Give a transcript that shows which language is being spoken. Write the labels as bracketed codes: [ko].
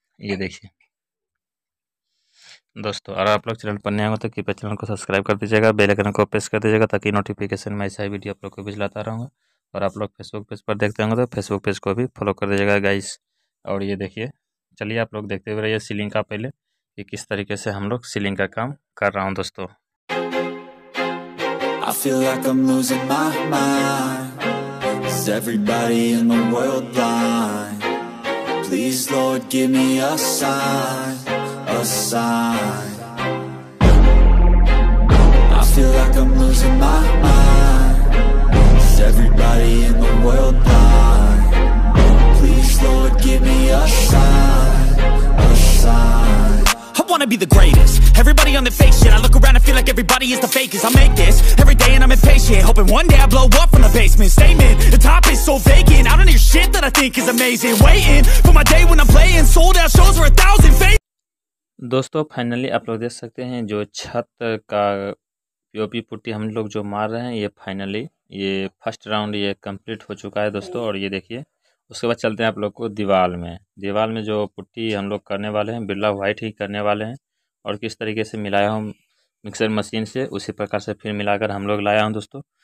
[hi] ये देखिए दोस्तों, अगर आप लोग चैनल पर नए हो तो कृपया चैनल को सब्सक्राइब कर दीजिएगा, बेल आइकन को प्रेस कर दीजिएगा ताकि नोटिफिकेशन में ऐसा ही वीडियो आप लोग को भिजलाता रहूँगा। और आप लोग फेसबुक पेज पर देखते होंगे तो फेसबुक पेज को भी फॉलो कर दीजिएगा गाइस। और ये देखिए चलिए आप लोग देखते हुए रहिए सीलिंग का पहले कि किस तरीके से हम लोग सीलिंग का काम कर रहा हूँ दोस्तों। [en] I feel like I'm losing my mind. Is everybody in the world blind? Please, Lord, give me a sign, a sign. I feel like I'm losing my mind. Is everybody in the world blind? Please, Lord, give me a sign, a sign. I wanna be the greatest. Everybody on their fake shit. I look around and feel like everybody is the fakest. I make this every day and I'm impatient, hoping one day I blow up from the basement. Statement, the top is so vacant. I don't hear shit that I think is amazing. Waiting for my day when I'm playing sold out shows for 1,000 fans. दोस्तों finally आप लोग देख सकते हैं जो छत का [hi] POP putty हम लोग जो मार रहे हैं ये फाइनली ये फर्स्ट राउंड ये कंप्लीट हो चुका है दोस्तों। और ये देखिए उसके बाद चलते हैं आप लोग को दीवार में। दीवार में जो पुट्टी हम लोग करने वाले हैं बिरला व्हाइट ही करने वाले हैं, और किस तरीके से मिलाया हूँ मिक्सर मशीन से उसी प्रकार से फिर मिलाकर हम लोग लाया हूँ दोस्तों।